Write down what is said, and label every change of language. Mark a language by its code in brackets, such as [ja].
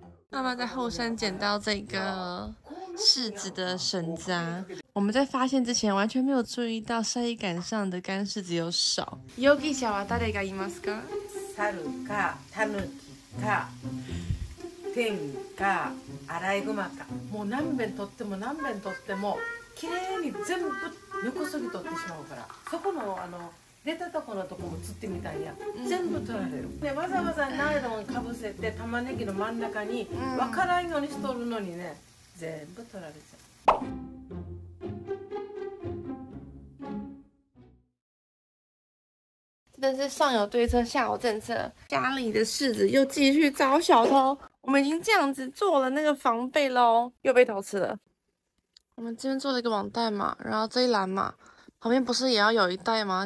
[zh] 妈妈在后山捡到这个柿子的绳子啊！我们在发现之前完全没有注意到晒衣杆上的干柿子有少。 [ja] 容疑者は誰がいますか？猿か、タヌキか、天か、アライグマか。もう何遍取っても何遍取っても綺麗に全部根こそぎ取ってしまうから、そこの出たところのところ映ってみたいや、全部取られる。でわざわざナイロンかぶせて玉ねぎの真ん中に分からんようにしとるのにね、全部取られちゃう。 [zh] 真是上有对策下有政策，家里的柿子又继续遭小偷。我们已经这样子做了那个防备喽，又被偷吃了。我们这边做了一个网袋嘛，然后这一栏嘛，旁边不是也要有一袋吗？